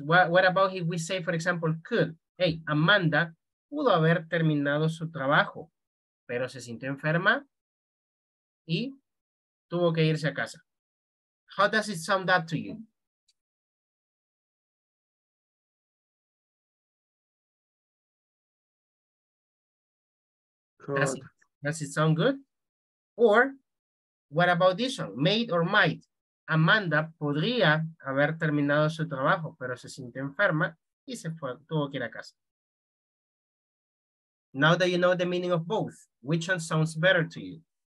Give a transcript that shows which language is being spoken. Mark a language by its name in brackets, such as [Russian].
[English] What about if we say, for example, could? [Spanish] Hey, Amanda pudo haber terminado su trabajo, pero se sintió enferma y tuvo que irse a casa. [English] How does it sound that to you? Does it sound good? Or what about this one? May or might? [Spanish] Amanda podría haber terminado su trabajo, pero se sintió enferma y se fue, tuvo que ir a casa. [English] Now that you know the meaning of both, which one sounds better to you?